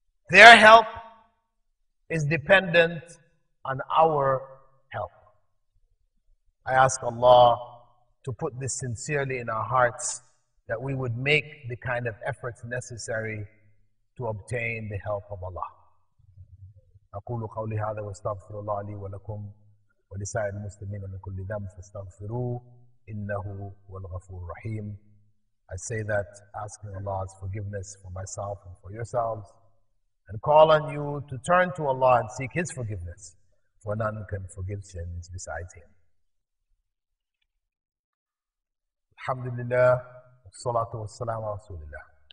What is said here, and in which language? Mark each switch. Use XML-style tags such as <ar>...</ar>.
<en>Their help is dependent on our help. I ask Allah to put this sincerely in our hearts, that we would make the kind of efforts necessary to obtain the help of Allah.</en> <ar>أقول قولي هذا واستغفر الله لي ولكم ولسائر المسلمين من كل ذنب فاستغفروه إنه هو الغفور الرحيم.</ar> <en>I say that asking Allah's forgiveness for myself and for yourselves, and call on you to turn to Allah and seek His forgiveness, for none can forgive sins besides Him.</en> <ar>Alhamdulillah, salatu wassalamu ala rasulillah.</ar>